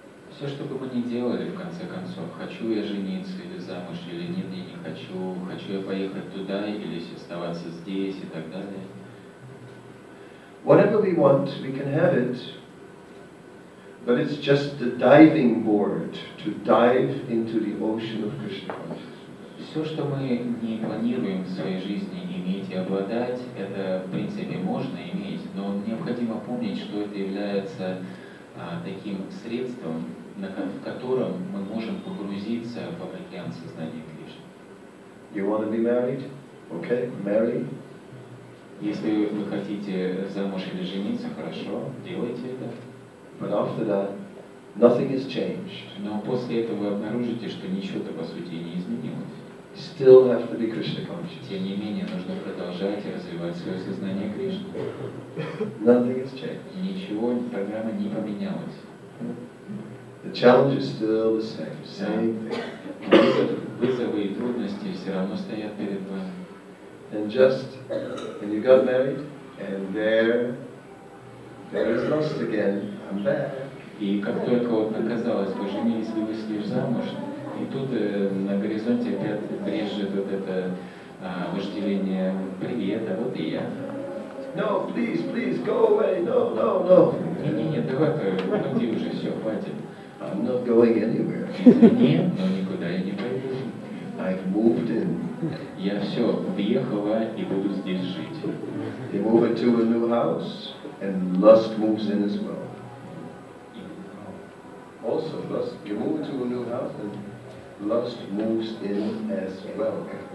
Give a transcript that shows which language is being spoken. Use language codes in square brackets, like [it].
[ru] Все, что бы мы ни делали, в конце концов, хочу я жениться или замуж, или нет, я не хочу, хочу я поехать туда или оставаться здесь и так далее. [en] Whatever we want, we can have it. But it's just the diving board to dive into the ocean of Krishna consciousness. [ru] Все, что мы не планируем в своей жизни иметь и обладать, это в принципе можно иметь, но необходимо помнить, что это является таким средством, в котором мы можем погрузиться в океан сознания Кришны. [en] You want to be married? Okay, marry. [ru] Если вы хотите замуж или жениться, хорошо, делайте это. [en] But after that, nothing has changed. [ru] Но после этого вы обнаружите, что ничего-то по сути не изменилось. [en] Still have to be Krishna conscious. [ru] Тем не менее, нужно продолжать развивать свое сознание Кришны. [en] Nothing has changed. [ru] Ничего, программа не поменялась. [en] The challenge is still the same. Same thing. [ru] Вызовы и трудности все равно стоят перед вами. [en] And just when you got married, and there is lust again. [ru] И как только вот оказалось, вы женились, вы вышли замуж, и тут на горизонте опять брежет вот это вожделение. Привет, а вот и я. [en] No, please, please, go away. No. [ru] Не, давай, уходи уже, все, хватит. [en] I'm not going anywhere. [ru] Нет, но никуда я не пойду. [en] I've moved in. [ru] Я все, въехал и буду здесь жить. [en] You move into a new house, and lust moves in as well. Also, lust. You move into a new house, and lust moves in as well.